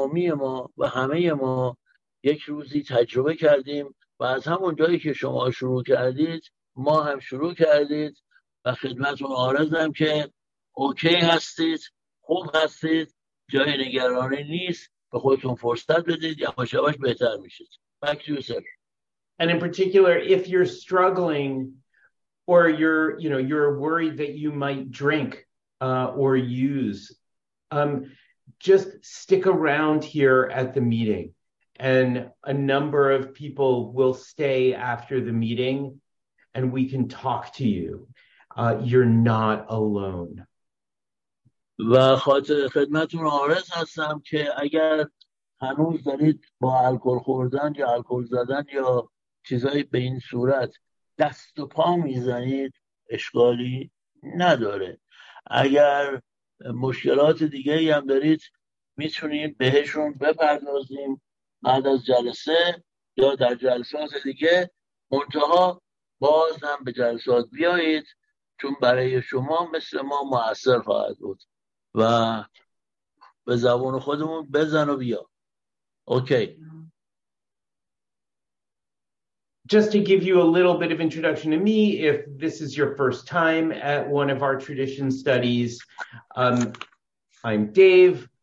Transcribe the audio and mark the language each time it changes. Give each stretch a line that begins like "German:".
Persian: ما و همه ما یک روزی تجربه کردیم و از همون جایی که شما شروع کردید ما هم شروع کردید و خدمتون عارضم که اوکی هستید، خوب هستید، جای نگرانی نیست، به خودتون فرصت بدید، یواش یواش بهتر میشید.
English: Back to you, sir. And in particular, if you're struggling or you're worried that you might drink or use, just stick around here at the meeting, and a number of people will stay after the meeting, and we can talk to you. You're not alone.
Persian: و خاطر خدمتون عارض هستم که اگر هنوز دارید با الکل خوردن یا الکل زدن یا چیزایی به این صورت دست و پا میزنید، اشکالی نداره. اگر مشکلات دیگه ای هم دارید میتونید بهشون بپردازیم بعد از جلسه یا در جلسات دیگه، منتها باز هم به جلسات بیایید، چون برای شما مثل ما مؤثر خواهد بود. و به زبان خودمون بزن و بیا.
English: Okay. Just to give you a little bit of introduction to me, if this is your first time at one of our tradition studies, I'm Dave.